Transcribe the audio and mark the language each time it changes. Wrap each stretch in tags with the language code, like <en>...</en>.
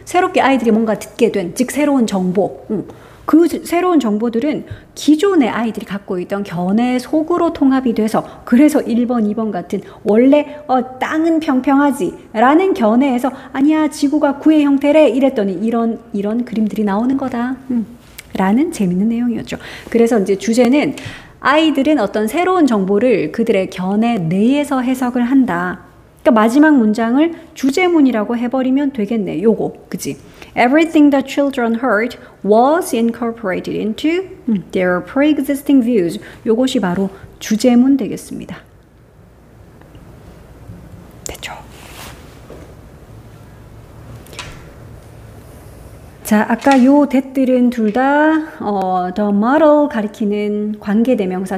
<ko>새롭게 아이들이 뭔가 듣게 된, 즉 새로운 정보. 그 새로운 정보들은 기존의 아이들이 갖고 있던 견해 속으로 통합이 돼서, 그래서 1번, 2번 같은 원래 땅은 평평하지라는 견해에서 아니야, 지구가 구의 형태래 이랬더니 이런 그림들이 나오는 거다. 라는 재밌는 내용이었죠. 그래서 이제 주제는 아이들은 어떤 새로운 정보를 그들의 견해 내에서 해석을 한다. 그러니까 마지막 문장을 주제문이라고 해버리면 되겠네. 요거, 그지?</ko> <en>Everything the children heard was incorporated into their pre-existing views.</en> <ko>요것이 바로 주제문 되겠습니다. 자, 아까 요 that들은 둘 다, the model 가리키는 관계대명사.</ko>